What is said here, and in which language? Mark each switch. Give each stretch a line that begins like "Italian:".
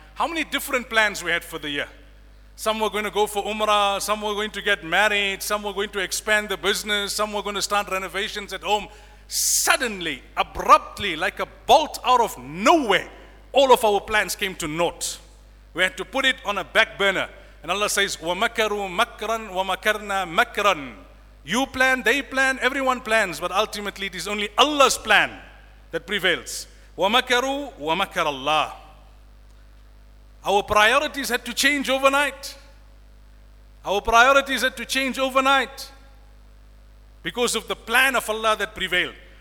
English: How many different plans we had for the year? Some were going to go for Umrah, some were going to get married, some were going to expand the business, some were going to start renovations at home. Suddenly, abruptly, like a bolt out of nowhere, all of our plans came to naught. We had to put it on a back burner. And Allah says,
Arabic: وَمَكَرُوا مَكْرًا وَمَكَرْنَا مَكْرًا.
English: You plan, they plan, everyone plans, but ultimately it is only Allah's plan that prevails.
Arabic: وَمَكَرُوا وَمَكَرَ اللَّهِ.
English: Our priorities had to change overnight. Our priorities had to change overnight because of the plan of Allah that prevailed.